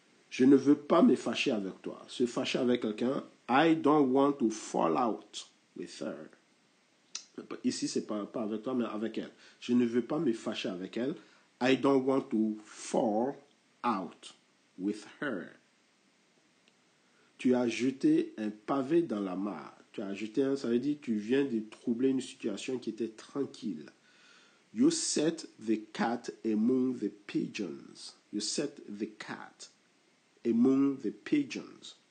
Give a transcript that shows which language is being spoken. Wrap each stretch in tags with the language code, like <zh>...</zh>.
<fr>Je ne veux pas me fâcher avec toi. Se fâcher avec quelqu'un,</fr> <en>I don't want to fall out with her.</en> <fr>Ici, ce n'est pas avec toi, mais avec elle. Je ne veux pas me fâcher avec elle.</fr> <en>I don't want to fall out with her.</en> <fr>Tu as jeté un pavé dans la mare. Tu as jeté un, ça veut dire tu viens de troubler une situation qui était tranquille.</fr> <en>You set the cat among the pigeons. You set the cat among the pigeons.</en>